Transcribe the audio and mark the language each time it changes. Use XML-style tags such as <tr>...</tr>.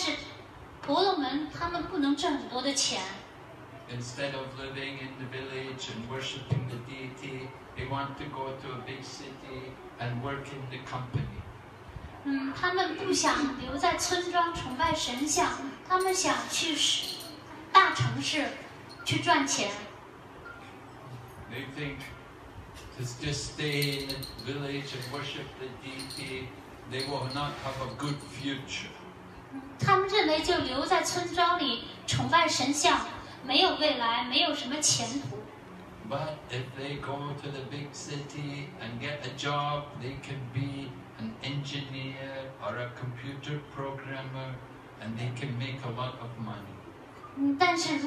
<zh>他们最后就越来越物质化，他们想赚钱，但是婆罗门他们不能赚很多的钱。</zh> <en>Instead of living in the village and worshipping the deity, they want to go to a big city and work in the company.</en> <zh>他们不想留在村庄崇拜神像，他们想去大城市去赚钱。</zh> <en>They think to just stay in the village and worship the deity, they will not have a good future.</en> <zh>他们认为就留在村庄里崇拜神像。没有未来，没有什么前途。</zh> <en>But if they go to the big city and get a job, they can be an engineer or a computer programmer, and they can make a lot of money.</en>